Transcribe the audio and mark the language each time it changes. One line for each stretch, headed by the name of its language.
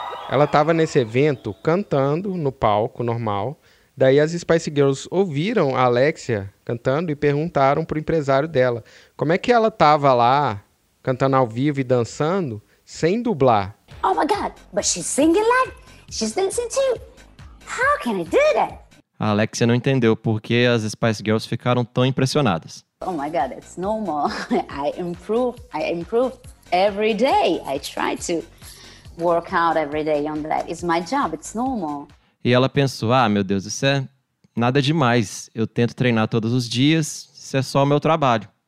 Portuguese: Ela estava nesse evento cantando no palco normal. Daí as Spice Girls ouviram a Alexia cantando e perguntaram pro empresário dela como é que ela estava lá cantando ao vivo e dançando sem dublar.
English: Oh my God, but she's singing live, she's dancing too. How can I do that?
Portuguese: A Alexia não entendeu porque as Spice Girls ficaram tão impressionadas.
English: Oh my God, it's normal. I improve every day. I try to work out every day on that. It's my job, it's normal.
Portuguese: E ela pensou, ah, meu Deus, isso é nada demais. Eu tento treinar todos os dias, isso é só o meu trabalho.